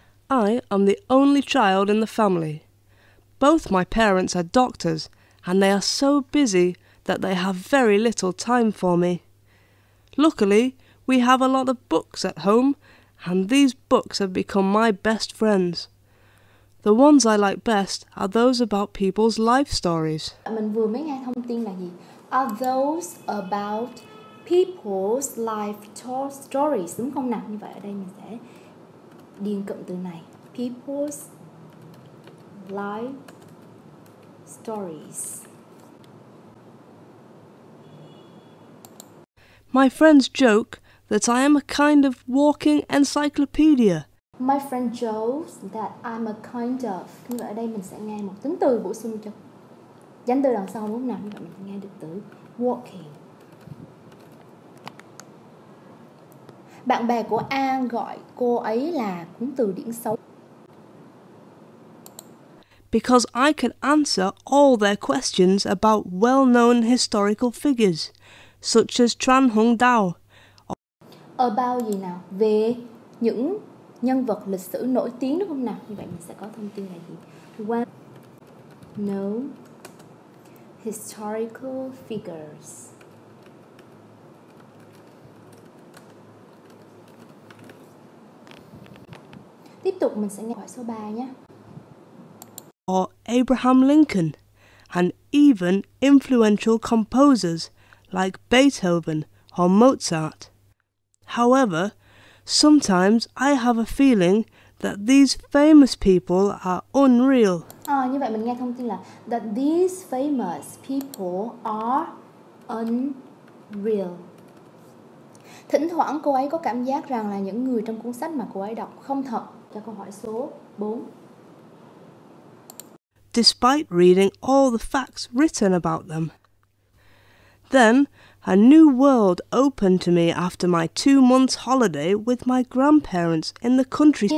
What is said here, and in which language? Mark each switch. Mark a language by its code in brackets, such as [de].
[en] I am the only child in the family. Both my parents are doctors, and they are so busy that they have very little time for me. Luckily, we have a lot of books at home, and these books have become my best friends. The ones I like best are those about people's life stories. [vi] Mình vừa mới nghe thông tin là gì? [en] Are those about people's life stories, [vi] đúng không nào? Như vậy ở đây mình sẽ điền cụm từ này. [en] People's life stories. My friends joke that I am a kind of walking encyclopedia. My friend jokes that I'm a kind of. [vi] Như vậy ở đây mình sẽ nghe một tính từ bổ sung cho danh từ đằng sau, đúng không nào? Mình sẽ nghe được từ walking. Bạn bè của An gọi cô ấy là cụm từ điển xấu. [en] Because I can answer all their questions about well-known historical figures, such as Tran Hung Dao. [vi] About gì nào? Về những nhân vật lịch sử nổi tiếng, đúng không nào? Như vậy mình sẽ có thông tin là gì? [en] Well-known historical figures. [vi] Tiếp tục mình sẽ nghe hỏi số 3 nhé. [en] Or Abraham Lincoln, and even influential composers like Beethoven or Mozart. However, sometimes I have a feeling that these famous people are unreal. [vi] À, như vậy mình nghe thông tin là [en] that these famous people are unreal. [vi] Thỉnh thoảng cô ấy có cảm giác rằng là những người trong cuốn sách mà cô ấy đọc không thật. Cho câu hỏi số 4. [en] Despite reading all the facts written about them. Then, a new world opened to me after my 2 months holiday with my grandparents in the countryside.